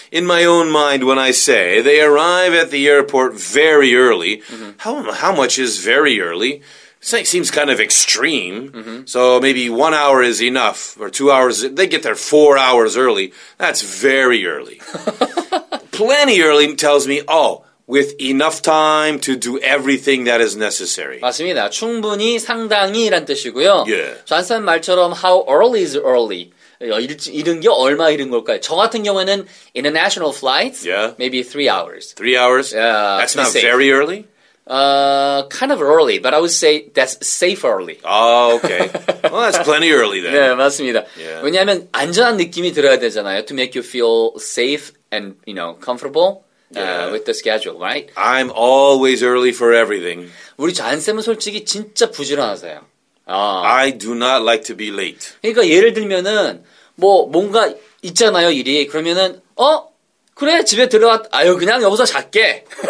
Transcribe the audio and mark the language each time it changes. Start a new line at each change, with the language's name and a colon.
English: In my own mind, when I say they arrive at the airport very early, how much is very early? Seems kind of extreme. So maybe 1 hour is enough, or 2 hours. They get there 4 hours early. That's very early. Plenty early tells me, oh, with enough time to do everything that is necessary.
Korean: 맞습니다. 충분히 상당히란 뜻이고요.
English: Yeah.
Korean: 존슨 말처럼
English: how early is early?
Korean: 이른 게 얼마 이른 걸까요? 저 같은 경우에는
English: international flights, yeah. maybe 3 hours. 3 hours? Yeah, that's not very early? Kind of early, but I would say that's safe early. Oh, okay. Well, that's plenty early then.
Korean: 네, 맞습니다.
English: Yeah.
Korean: 왜냐하면 안전한 느낌이 들어야 되잖아요.
English: To make you feel safe and, you know, comfortable with the schedule, right? I'm always early for everything.
Korean: 우리 잔쌤은 솔직히 진짜 부지런하세요.
English: I do not like to be late.
Korean: 그러니까 예를 들면은 뭐 뭔가 있잖아요, 일이. 그러면은, 어? 그래, 집에 들어왔, 아유, 그냥 여기서 잘게.